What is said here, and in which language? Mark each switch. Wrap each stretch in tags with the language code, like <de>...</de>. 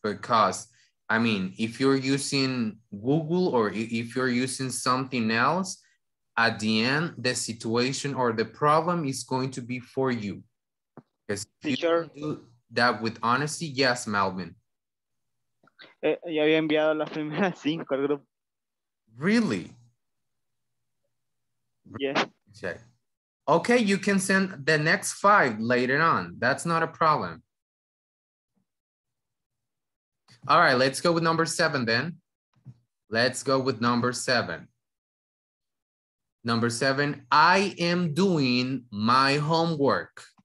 <en>Because, I mean, if you're using Google or if you're using something else, at the end, the situation or the problem is going to be for you. Teacher. Do that with honesty. Yes, Melvin.</en> <es>Ya había enviado las primeras cinco al grupo.</es> <en>Really? Yeah. Okay, you can send the next five later on. That's not a problem. All right, let's go with number seven then. Let's go with number seven. Number seven, I am doing my homework.</en>